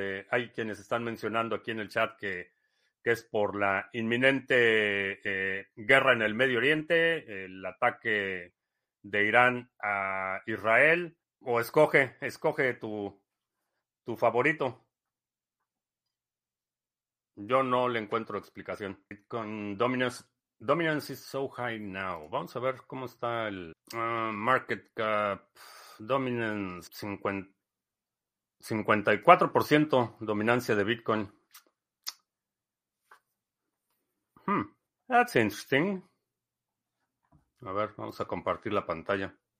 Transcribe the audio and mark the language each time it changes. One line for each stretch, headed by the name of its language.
Spanish: Hay quienes están mencionando aquí en el chat que es por la inminente guerra en el Medio Oriente, el ataque de Irán a Israel, o escoge tu favorito. Yo no le encuentro explicación.
English: Con Dominance is so high now.
Spanish: Vamos a ver cómo está el market cap. Dominance 54% dominancia de Bitcoin.
English: That's interesting.
Spanish: A ver, vamos a compartir la pantalla.